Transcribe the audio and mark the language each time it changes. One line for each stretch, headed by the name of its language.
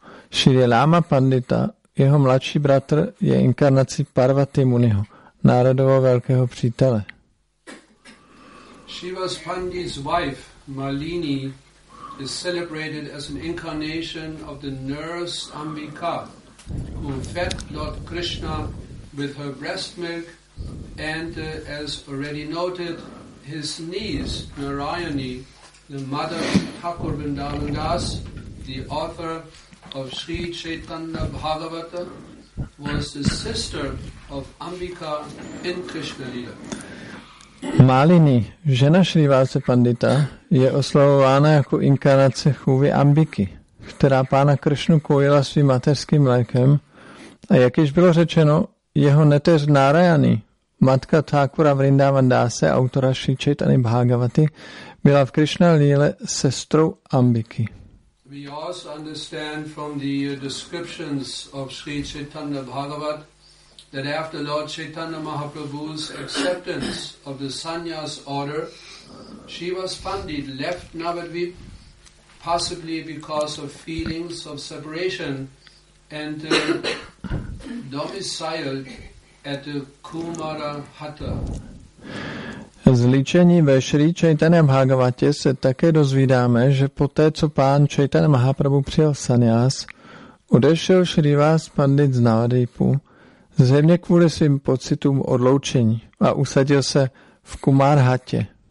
Czech: Sri Rama Pandita, jeho mladší bratr, je inkarnací Parvati Muniho, Narodovo velkého přítele.
English: Srivas Pandit's wife, Malini, is celebrated as an incarnation of the nurse Ambika, who fed Lord Krishna with her breast milk, and as already noted, his niece, Narayani, Madhav Thakur Vrindavan Das, the author of Sri Chaitanya Bhagavata, was the sister of Ambika in Krishna Lila.
Czech: Malini, žena Srivasa Pandita, je oslavována jako inkarnace chůvy Ambiky, která pána Kršnu kojila svým mateřským mlékem, a jak již bylo řečeno, jeho neteř Narayani, matka Thakura Vrindavan Dase, autora Sri Chaitany Bhagavaty, byla v Krishna Lile sestrou Ambiky.
English: We also understand from the descriptions of Sri Chaitanya Bhagavat that after Lord Chaitanya Mahaprabhu's acceptance of the sannyas order, Shiva's Pandit left Navadvip, possibly because of feelings of separation, and domiciled at the Kumara Hatha.
Czech: Zlíčení ve Sri Chaitanya Bhagavatě se také dozvídáme, že poté, co pán Chaitanya Mahaprabhu přijel sannyas, odešel Srivas Pandit z Navadvipu zřejmě kvůli svým pocitům odloučení a usadil se v Kumarhatě.